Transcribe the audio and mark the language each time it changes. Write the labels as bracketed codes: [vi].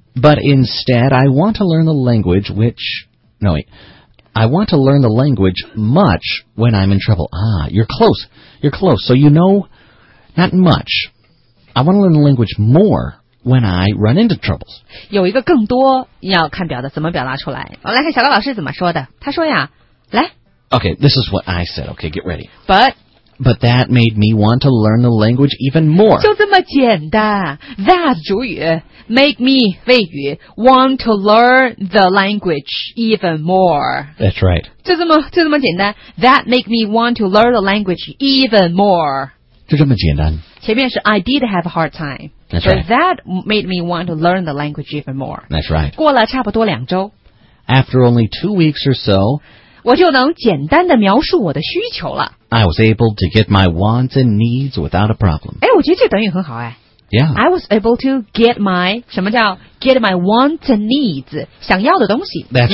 [en] But instead, I want to learn the language which... No, wait. I want to learn the language much when I'm in trouble. Ah, you're close. So you know, not much. I want to learn the language more when I run into troubles. [zh] 有一个更多要看表达怎么表达出来。我来看小高老师怎么说的。他说呀，来。 [en] Okay, this is what I said. Okay, get ready. But that made me want to learn the language even more. [zh] 就这么简单。 [en] That 主语 make me 谓语 want to learn the language even more. That's right. [zh] 就这么简单。 [en] That make me want to learn the language even more. [zh] 就这么简单。前面是 [en] I did have a hard time. That's right. But that made me want to learn the language even more. That's right. [zh] 过了差不多两周。 [en] After only 2 weeks or so, [zh] 我就能简单的描述我的需求了。 [en] I was able to get my wants and needs without a problem. [zh] 哎，我觉得这短语很好哎。 [en] Yeah. I was able to get my, [zh] 什么叫 [en] get my wants and needs, [zh] 想要的东西 [en] That's